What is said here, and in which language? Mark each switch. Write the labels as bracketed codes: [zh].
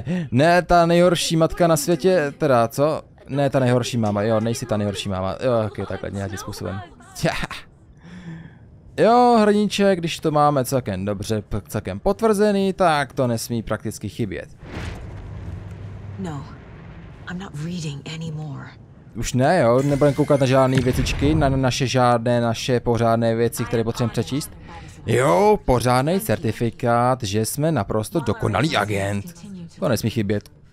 [cs] Ne, ta nejhorší matka na světě, teda co? Ne, ta nejhorší máma, jo, nejsi ta nejhorší máma, jo, okay, takhle nějakým způsobem. Jo, hrníček, když to máme celkem dobře, celkem potvrzený, tak to nesmí prakticky chybět. [en] No, I'm not reading anymore. [cs] Už ne, jo, nebudem koukat na žádné věcičky, na naše pořádné věci, které potřebujeme přečíst. Jo, pořádný certifikát, že jsme naprosto dokonalý agent. To nesmí chybět.